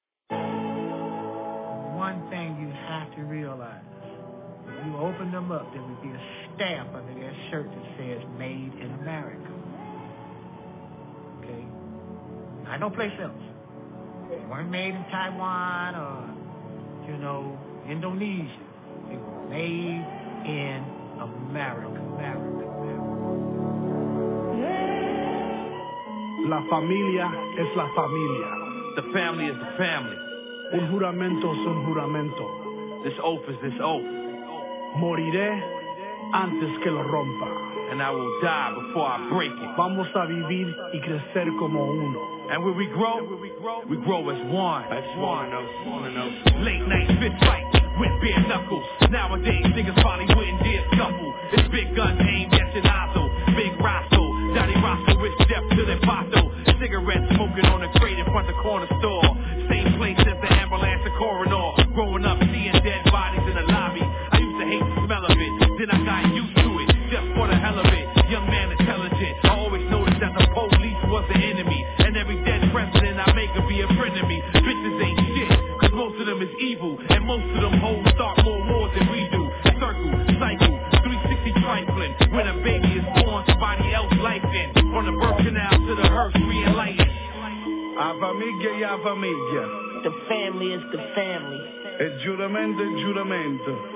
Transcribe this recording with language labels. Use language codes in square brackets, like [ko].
[en] One thing you have to realize, when you open them up, there would be a stamp under their shirt that says Made in America. Okay? Not no place else. They weren't made in Taiwan or, you know, Indonesia. They were made in America. [es] La familia es la familia. [en] The family is the family. [es] Un juramento es un juramento. [en] This oath is this oath. [es] Moriré antes que lo rompa. [en] And I will die before I break it. [es] Vamos a vivir y crecer como uno. [en] And when we grow, we grow as one. As one of us. Late night fit fight with bare knuckles. Nowadays niggas probably wouldn't dare scuffle. It's big guns aimed at your nozzle. Big Rosso, Johnny Rosso with Step to the Pato. Cigarette smoking on the crate in front of the corner store. Same place as the ambulance and coroner. Growing up seeing dead bodies in the lobby. I used to hate the smell of it. Then I got used to it. Just for the hell of it. Young man intelligent. I always noticed that the police was the enemy. And every dead president I make will be a friend of me. Bitches ain't shit. Cause most of them is evil. And most of them hold start more wars than we do. Circle, cycle, 360 trifling. When a baby is born, somebody else life in. From the birth canal to the hearse, we enlightened. [es] A familia, a familia. [en] The family is the family. [es] El juramento, el juramento.